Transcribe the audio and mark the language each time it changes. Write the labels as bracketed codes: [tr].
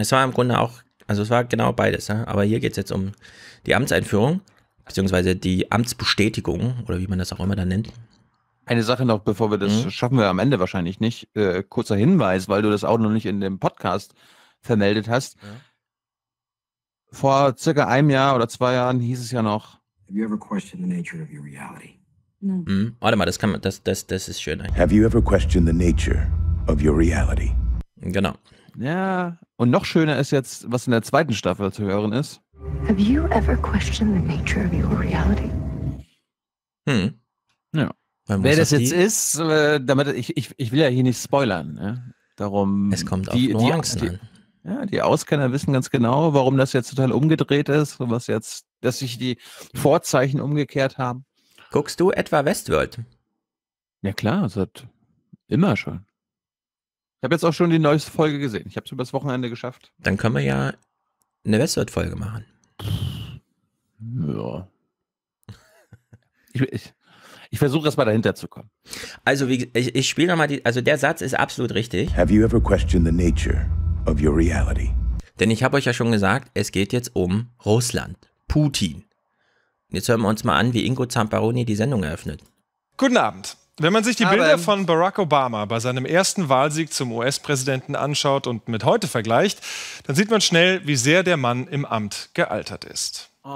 [de] Es war im Grunde auch, also es war genau beides. Ja? Aber hier geht es jetzt um die Amtseinführung, beziehungsweise die Amtsbestätigung oder wie man das auch immer dann nennt. Eine Sache noch, bevor wir das schaffen wir am Ende wahrscheinlich nicht. Kurzer Hinweis, weil du das auch noch nicht in dem Podcast vermeldet hast. Ja. Vor circa einem Jahr oder 2 Jahren hieß es ja noch. [en] Have you ever questioned the nature of your reality? No. [de] Mm, warte mal, das ist schön. [en] Have you ever questioned the nature of your reality? [de] Genau. Ja, und noch schöner ist jetzt, was in der zweiten Staffel zu hören ist. [en] Have you ever questioned the nature of your reality? Hm. [de] Ja. Wer das jetzt ist, damit ich will ja hier nicht spoilern. Ja? Darum. Es kommt auf Nuancen an. Ja, die Auskenner wissen ganz genau, warum das jetzt total umgedreht ist, was jetzt, dass sich die Vorzeichen umgekehrt haben. Guckst du etwa Westworld? Ja klar, seit immer schon. Ich habe jetzt auch schon die neueste Folge gesehen. Ich habe es übers Wochenende geschafft. Dann können wir ja eine Westworld-Folge machen. Ja. Ich versuche erstmal dahinter zu kommen. Also ich spiele nochmal, der Satz ist absolut richtig. [en] Have you ever questioned the nature of your reality? [de] Denn ich habe euch ja schon gesagt, es geht jetzt um Russland, Putin. Jetzt hören wir uns mal an, wie Ingo Zamperoni die Sendung eröffnet. Guten Abend. Wenn man sich die Bilder von Barack Obama bei seinem ersten Wahlsieg zum US-Präsidenten anschaut und mit heute vergleicht, dann sieht man schnell, wie sehr der Mann im Amt gealtert ist.